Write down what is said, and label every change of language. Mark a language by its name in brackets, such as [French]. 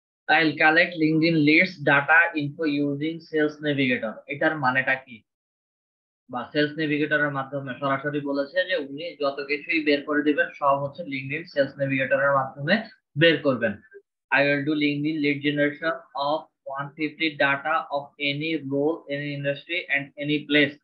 [English] I'll collect LinkedIn leads data info using sales navigator. [Bangla] এটার মানেটা কি? বা সেলস নেভিগেটরের মাধ্যমে সরাসরি বলেছে যে উনি যত কিছুই বের করে দিবেন সব হচ্ছে লিঙ্কডইন সেলস নেভিগেটরের মাধ্যমে বের করবেন। [English] I will do LinkedIn lead generation of 150 data of any role, any industry and any place.